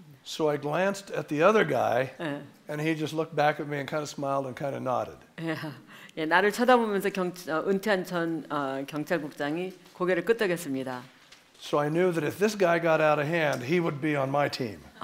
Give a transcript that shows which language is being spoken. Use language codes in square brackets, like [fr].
[en] So I glanced at the other guy, and he just looked back at me and kind of smiled and kind of nodded. [ko] 예, 나를 쳐다보면서 은퇴한 전 경찰국장이 고개를 끄덕였습니다. [en] So I knew that if this guy got out of hand, he would be on my team.